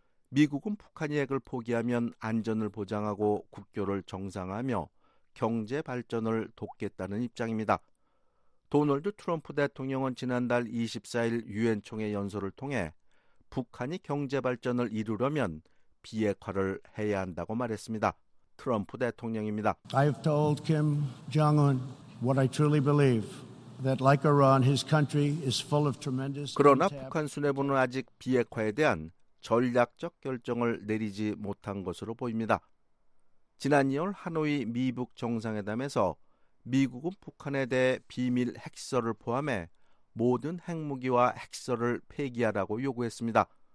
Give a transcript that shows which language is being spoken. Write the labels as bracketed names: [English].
[Korean] 미국은 북한이 핵을 포기하면 안전을 보장하고 국교를 정상화하며 경제 발전을 돕겠다는 입장입니다. 도널드 트럼프 대통령은 지난달 24일 유엔총회 연설을 통해 북한이 경제 발전을 이루려면 비핵화를 해야 한다고 말했습니다. 트럼프 대통령입니다. [English] I have told Kim Jong-un what I truly believe. That like Iran, his country is full of tremendous. [Korean] 그러나 북한 수뇌부는 아직 비핵화에 대한 전략적 결정을 내리지 못한 것으로 보입니다. 지난 2월 하노이 미북 정상회담에서 미국은 북한에 대해 비밀 핵시설을 포함해 모든 핵무기와 핵시설을 폐기하라고 요구했습니다.